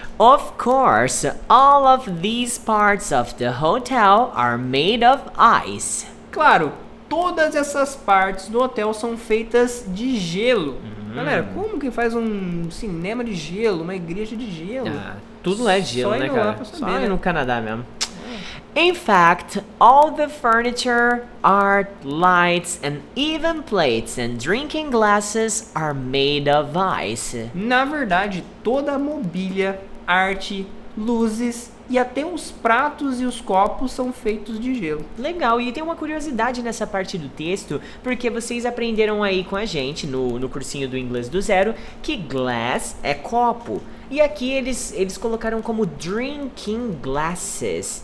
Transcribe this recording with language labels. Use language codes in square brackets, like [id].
[en] Of course, all of these parts of the hotel are made of ice. [pt] Claro. Todas essas partes do hotel são feitas de gelo. Galera, como que faz um cinema de gelo, uma igreja de gelo? Ah, tudo é gelo, só né, cara? Lá pra saber, só né? No Canadá mesmo. [en] In fact, all the furniture, art, lights, and even plates and drinking glasses are made of ice. [pt] Na verdade, toda a mobília, arte, luzes... E até os pratos e os copos são feitos de gelo. Legal, e tem uma curiosidade nessa parte do texto, porque vocês aprenderam aí com a gente, no cursinho do Inglês do Zero, que glass é copo. E aqui eles colocaram como drinking glasses.